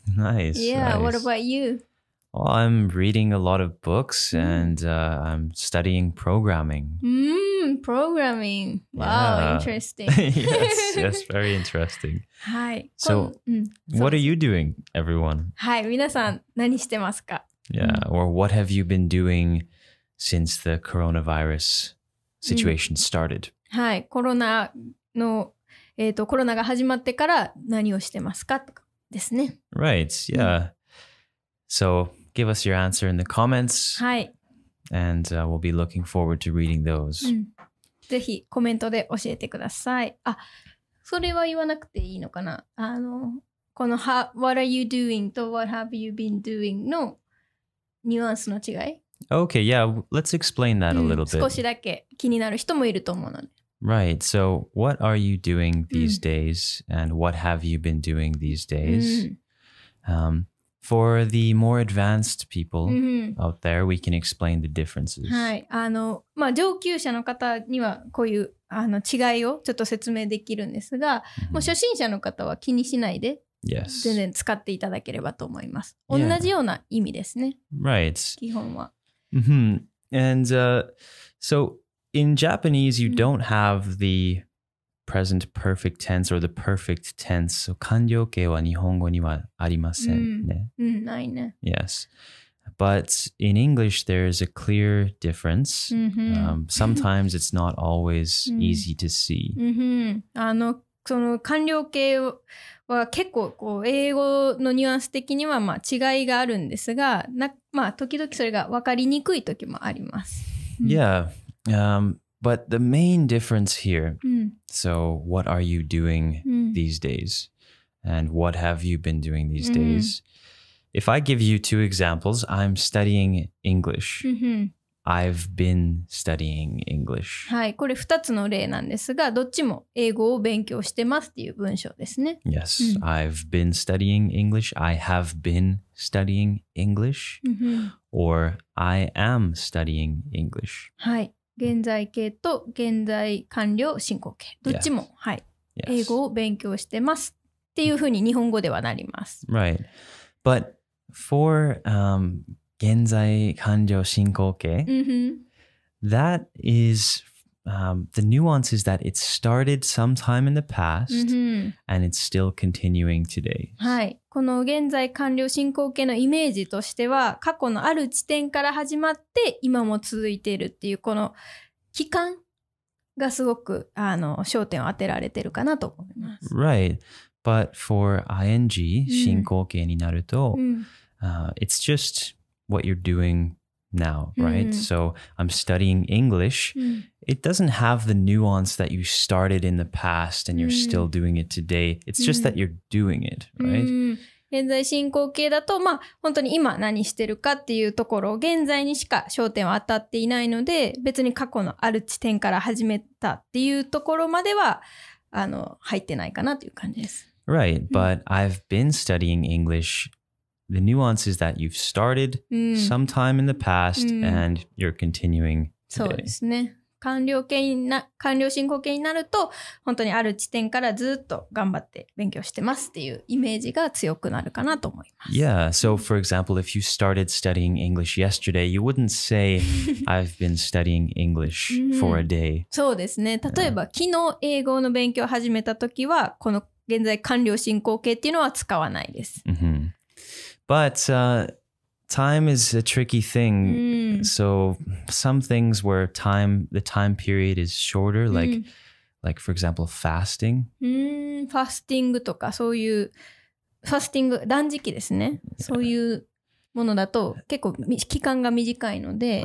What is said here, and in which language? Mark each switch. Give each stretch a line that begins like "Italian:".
English: Nice. Yeah, nice. What about you? Well, I'm reading a lot of books and I'm studying programming. Programming. Wow, yeah. Interesting. yes, very interesting. Hi. So, what are you doing, everyone?
Japanese: Hi, 皆さん、何してますか?
English: Yeah, or what have you been doing since the coronavirus situation started?
Japanese: Hi, コロナが始まってから何をしてますか? ですね。
English: Right, yeah. So, give us your answer in the comments. Hi. And we'll be looking forward to reading those.
Japanese: ぜひコメントで教えてください。あ、それは言わなくていいのかな。あのこの
English: What are you doing
Japanese: と
English: What have you been doing
Japanese: のニュアンスの違い。
English: Okay, yeah, let's explain that a little bit.
Japanese: 少しだけ気になる人もいると思うので。
English: Right, so what are you doing these days and what have you been doing these days? For the more advanced people out there, we can explain the differences.
Japanese: はい、あの、まあ、上級者の方にはこういうあの違いをちょっと説明できるんですが、もう初心者の方は気にしないで、
English: yes.
Japanese: 全然使っていただければと思います。同じような意味ですね。
English: Yeah. Right.
Japanese: 基本は。 Mm-hmm.
English: And so in Japanese, you don't have the present perfect tense or the perfect tense.
Japanese: So, 完了形は日本語にはありませんね。ないね。
English: Yes. But in English, there is a clear difference. Sometimes it's not always easy to see.
Japanese: あの、その完了形は結構こう英語のニュアンス的にはまあ違いがあるんですが、まあ、時々それが分かりにくい時もあります。
English: Yeah. But the main difference here, so what are you doing these days? And what have you been doing these days? If I give you two examples, I'm studying English. I've been studying English.
Japanese: はい、これ2つの例なんですが、どっちも英語を勉強してますっていう文章ですね。
English: Yes, I've been studying English. I have been studying English. Or I am studying English.
Japanese: はい。現在形と現在完了進行形どっちも、
English: yes.
Japanese: はい、
English: yes.
Japanese: 英語を勉強してますっていうふうに日本語ではなります。
English: Right, but for 現在完了進行形、that is the nuance is that it started sometime in the past、and it's still continuing today.
Japanese: はい、この現在完了進行形のイメージとしては過去のある地点から始まって今も続いているっていうこの期間がすごくあの焦点を当てられてるかなと思います。
English: Right, but for ing 進行形になると、it's just what you're doingnow, right? So I'm studying English. It doesn't have the nuance that you started in the past and you're still doing it today. It's just that you're doing it, right?
Japanese: 現在進行形だと、まあ、本当に今何してるかっていうところを現在にしか焦点は当たっていないので、別に過去のある地点から始めたっていうところまでは、あの、入ってないかなという感じです。
English: Right, but I've been studying English. The nuance is that you've started sometime in the past and you're continuing today.
Japanese: そうですね。完了進行形になると、本当にある地点からずっと頑張って勉強してますっていうイメージが強くなるかなと思います。
English: Yeah, so for example, if you started studying English yesterday, you wouldn't say, I've been studying English for a day.
Japanese: そうですね。例えば、昨日英語の勉強を始めた時は、この現在完了進行形っていうのは使わないです。
English: But time is a tricky thing. So some things where the time period is shorter, like for example, fasting.
Japanese: Fasting とかそういう fasting 断食ですね。そういうものだと結構期間が短いので。